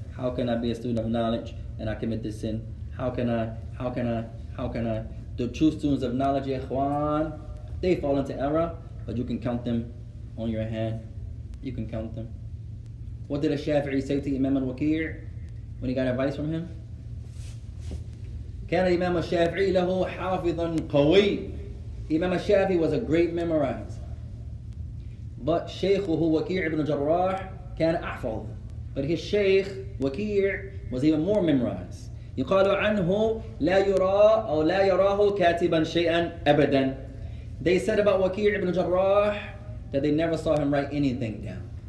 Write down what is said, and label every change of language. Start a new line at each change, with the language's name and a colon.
English: How can I be a student of knowledge and I commit this sin? How can I? The true students of knowledge, Ikhwan, they fall into error, but you can count them on your hand. You can count them. What did a Shafi'i say to Imam al-Waqi' when he got advice from him?
Arabic: كان الإمام الشافعي له حافظا قوي.
English: Imam al-Shafi'i was a great memorizer. But Shaykhuhu Waqi' ibn Jarrah
Arabic: كان أحفظ.
English: But his Shaykh Waqi' was even more memorized.
Arabic: يقال عنه لا يرى أو لا يراه كاتبا شيئا أبدا.
English: They said about Waqi' ibn Jarrah that they never saw him write anything down.